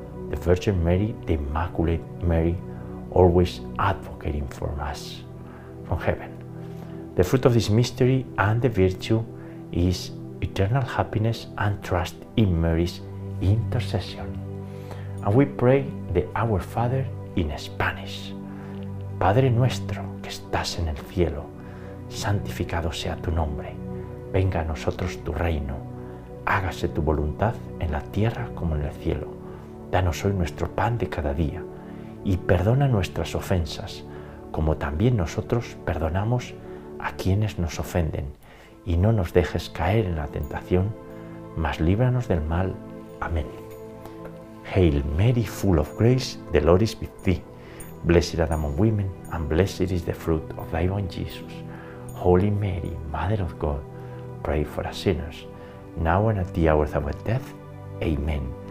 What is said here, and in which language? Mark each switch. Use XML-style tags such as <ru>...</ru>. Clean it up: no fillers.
<en>The Virgin Mary, the Immaculate Mary, always advocating for us from heaven. The fruit of this mystery and the virtue is eternal happiness and trust in Mary's intercession. And we pray the Our Father in Spanish.</en> <es>Padre nuestro que estás en el cielo, santificado sea tu nombre. Venga a nosotros tu reino. Hágase tu voluntad en la tierra como en el cielo. Danos hoy nuestro pan de cada día. Y perdona nuestras ofensas, como también nosotros perdonamos a quienes nos ofenden. Y no nos dejes caer en la tentación, mas líbranos del mal. Amén.</es> <en>Hail Mary, full of grace, the Lord is with thee. Blessed art thou among women, and blessed is the fruit of thy womb, Jesus. Holy Mary, Mother of God, pray for us sinners, now and at the hour of our death. Amen.</en>